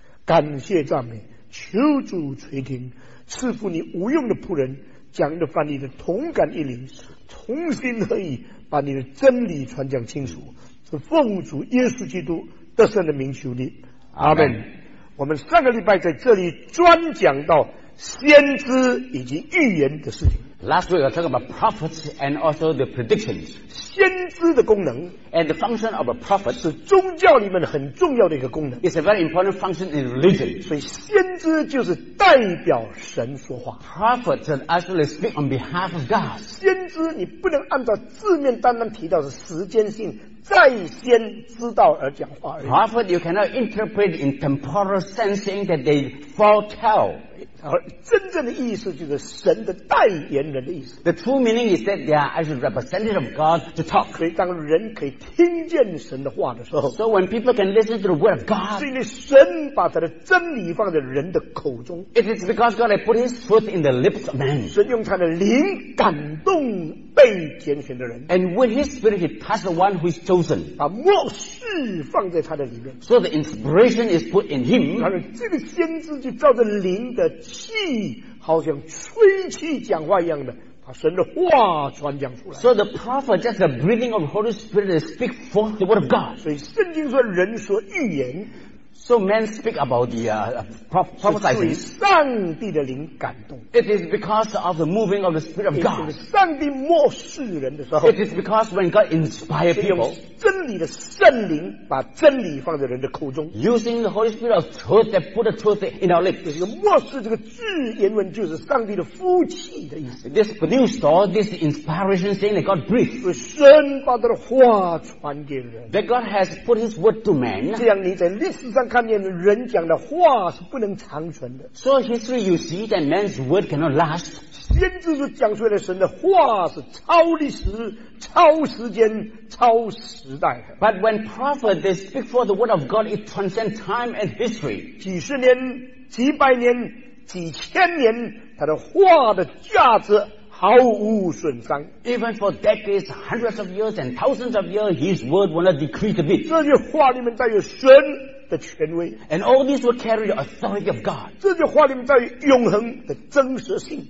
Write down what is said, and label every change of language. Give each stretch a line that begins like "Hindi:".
Chinese: 感谢赞美，求主垂听，赐福你无用的仆人讲的翻译的同感一灵，重新合意把你的真理传讲清楚，是奉主耶稣基督得胜的名求你。阿们。我们上个礼拜在这里专讲到先知以及预言的事情。
English: Last week we talked about prophets and also the predictions.
Chinese: 先知的功能
English: and the function of a prophet
Chinese: 是宗教里面很重要的一个功能。
English: It's a very important function in religion.
Chinese: 所以先知就是代表神说话。
English: Prophets actually speak on behalf of God.
Chinese: 先知你不能按照字面单单提到是时间性在先知道而讲话而已。
English: Prophet you cannot interpret in temporal sensing that they foretell.
Chinese: 而真正的意思就是神的代言人的意思。
English: The true meaning is that they are actually representative of God to talk.
Chinese: 所以当人可以听见神的话的时候
English: ，So when people can listen to the word of God,
Chinese: 是因为神把他的真理放在人的口中。
English: It is because God has put His truth in the lips of man.
Chinese: 神用他的灵感动被拣选的人。
English: And with His spirit, He touched the one who is chosen.
Chinese: 把末世放在他的里面。
English: So the inspiration is put in Him.
Chinese: 然后这个先知就照着灵的。气好像吹气讲话一样的，把神的话传讲出来。
English: So the prophet just a breathing of Holy Spirit to speak forth the word of God.
Chinese: 所以圣经说人说预言。
English: So men speak about the prophesying.
Chinese: 是上帝的灵感动。
English: It is because of the moving of the Spirit of God.
Chinese: 上帝默示人的时候。
English: It is because when God inspires people.
Chinese: 真理的圣灵把真理放在人的口中。
English: Using the Holy Spirit of truth that put the truth in our lips.
Chinese: 这个默示这个字原文就是上帝的呼气的意思。
English: This produced all this inspiration saying that God breathed.
Chinese: 是神把他的话传给人。
English: That God has put His word to man.
Chinese: 这样你在历史上看见人讲的话是不能长存的。
English: So history you see that man's word cannot last.
Chinese: 先知是讲出来的神的话是超历史、超时间、超时代的。
English: But when prophets they speak for the word of God, it transcends time and history.
Chinese: 几十年、几百年、几千年，他的话的价值毫无损伤。
English: Even for decades, hundreds of years and thousands of years, His word will not decrease a bit.
Chinese: 这句话里面带有神。的权威
English: and all these will carry the authority of God.
Chinese: 这句话里面带有永恒的真实性